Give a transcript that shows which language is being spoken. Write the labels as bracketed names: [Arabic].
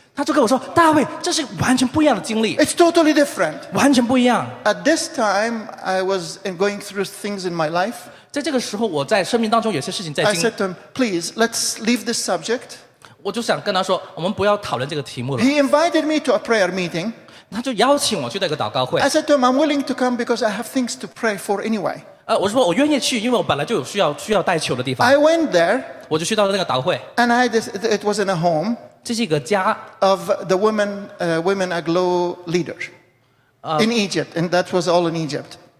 [Chinese] 他就跟我说, 大卫, 这是完全不一样的经历, [English] it's totally different. [Chinese] 完全不一样。 [English] At this time, I was going through things in my life. [Chinese] 在这个时候我在生命当中有些事情在经历。 [English] I said to him, please, let's leave this subject. [Chinese] 我就想跟他说, 我们不要讨论这个题目了。 [English] He invited me to a prayer meeting. [Chinese] 他就邀请我去那个祷告会。 [English] I said to him, I'm willing to come because I have things to pray for anyway. [Chinese] 我说我愿意去, 因为我本来就有需要代求的地方。 [English] I went there. [Chinese] 我就去到那个祷会。 [English] And I just, it was in a home. [Chinese] 这是一个家, [English] of the women, women aglo leaders. In Egypt, and that was all in Egypt.